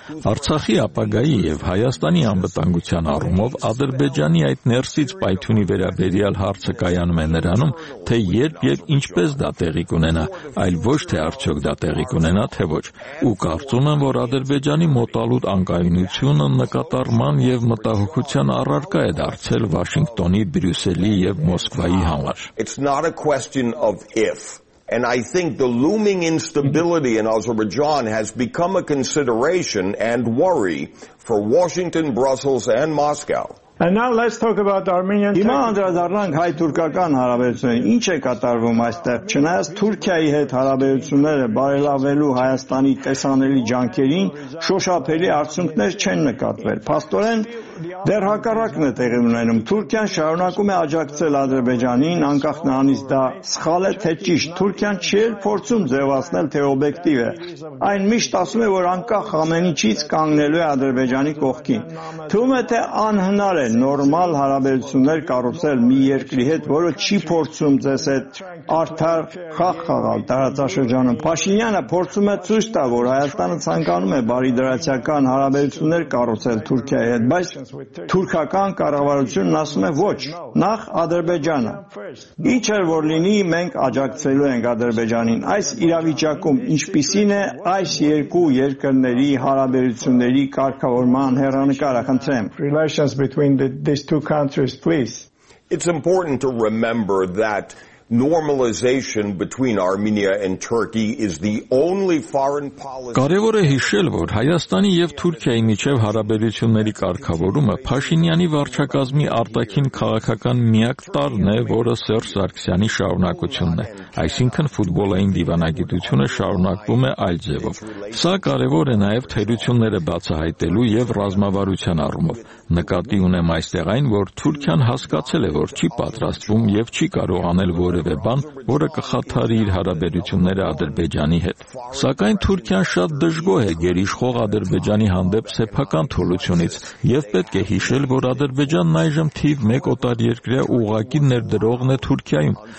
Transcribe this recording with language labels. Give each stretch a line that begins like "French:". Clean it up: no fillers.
Armenian: Արցախի ապագայի և Հայաստանի անվտանգության առումով Ադրբեջանի այդ ներսից պայթյունի վերաբերյալ հարցը կայանում է նրանում, թե երբ և ինչպես դա տեղի կունենա, այլ ոչ թե արդյոք դա տեղի կունենա, թե ոչ, ու կարծում եմ, որ Ադրբեջանի մոտալուտ անկայունությունը նկատառման և մտահոգության առարկա է դարձել Վաշինգտոնի, Բրյուսելի և Մոսկվայի համար։
English: And I think the looming instability in Azerbaijan has become a consideration and worry for Washington, Brussels, and Moscow. And now let's talk about Armenian.
Armenian: Հիմա անդրադառնանք հայ-թուրքական հարաբերություններին։ Ինչ է կատարվում այստեղ, չնայած Թուրքիայի հետ հարաբերությունները բարելավելու Հայաստանի տեսանելի ջանքերին շոշափելի արդյունքներ չեն նկատվել։ Փաստորեն դեռ հակառակն է տեղի ունենում։ Թուրքիան շարունակում է աջակցել Ադրբեջանին, անկախ նրանից դա սխալ է թե ճիշտ։ Թուրքիան չի փորձում ձևացնել, թե օբյեկտիվ է։ Այն միշտ ասում է, որ անկախ ամենիցից կանգնելու է Ադրբեջանի կողքին։ Թվում է, թե անհնար է նորմալ հարաբերություններ կառուցել մի երկրի հետ, որը չի փորձում ձեզ այդ արդար խաղ խաղալ տարածաշրջանում։ Փաշինյանը փորձում է ցույց տալ, որ Հայաստանը ցանկանում է բարիդրացական հարաբերություններ կառուցել Թուրքիայի հետ, բայց թուրքական կառավարությունն ասում է ոչ, նախ Ադրբեջանը։ Ինչ էլ որ լինի, մենք աջակցելու ենք Ադրբեջանին։ Այս իրավիճակում ինչպիսին է այս երկու երկրների հարաբերությունների կարգավորման հեռանկարը, խնդրեմ։
English: Relations between these two countries, please. It's important to remember that normalization between Armenia and Turkey is the only foreign policy.
Armenian: Կարևոր է հիշել, որ Հայաստանի եւ Թուրքիայի միջև հարաբերությունների կարգավորումը Փաշինյանի վարչակազմի արտաքին քաղաքական միակ տարն է, որը Սերժ Սարգսյանի շարունակությունն է, այսինքն ֆուտբոլային դիվանագիտությունը շարունակվում է այլ ձևով։ Սա կարևոր է նաեւ թերությունները բացահայտելու եւ ռազմավարության առումով։ Նկատի ունեմ այստեղ այն, որ Թուրքիան հասկացել է, որ չի պատրաստվում եւ չի կարողանալ որևէ բան, որը կխաթարի իր հարաբերությունները Ադրբեջանի հետ։ Սակայն Թուրքիան շատ դժգոհ է գերիշխող Ադրբեջանի հանդեպ սեփական թուլությունից, և պետք է հիշել, որ Ադրբեջանն այժմ թիվ 1 օտար երկրի ուղակի ներդրողն է Թուրքիայում։